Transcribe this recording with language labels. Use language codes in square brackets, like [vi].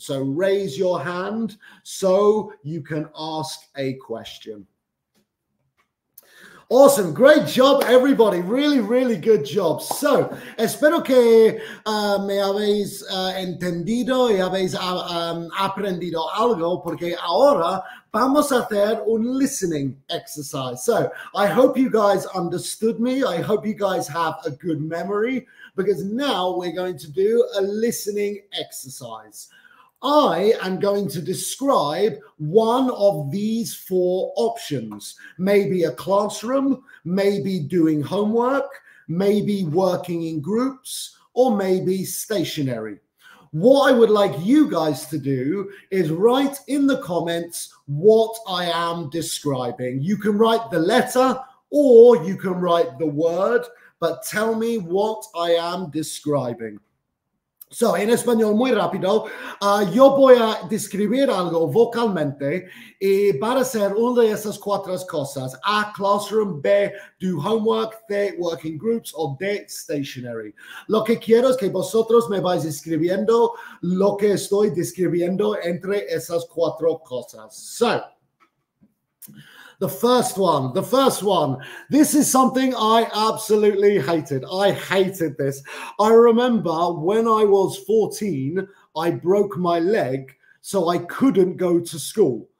[en] So raise your hand so you can ask a question. Awesome. Great job, everybody. Really, really good job. [es] So, espero que me habéis entendido y habéis aprendido algo, porque ahora vamos a hacer un listening exercise. [en] So, I hope you guys understood me. I hope you guys have a good memory, because now we're going to do a listening exercise. I am going to describe one of these four options. Maybe a classroom, maybe doing homework, maybe working in groups, or maybe stationary. What I would like you guys to do is write in the comments what I am describing. You can write the letter or you can write the word, but tell me what I am describing. [es] So, en español muy rápido, yo voy a describir algo vocalmente y va a ser una de esas cuatro cosas. [en] A, classroom, B, do homework, C, working groups, o D, stationary. [es] Lo que quiero es que vosotros me vais escribiendo lo que estoy describiendo entre esas cuatro cosas. [en] So, the first one, this is something I absolutely hated. I hated this. I remember when I was 14, I broke my leg, so I couldn't go to school.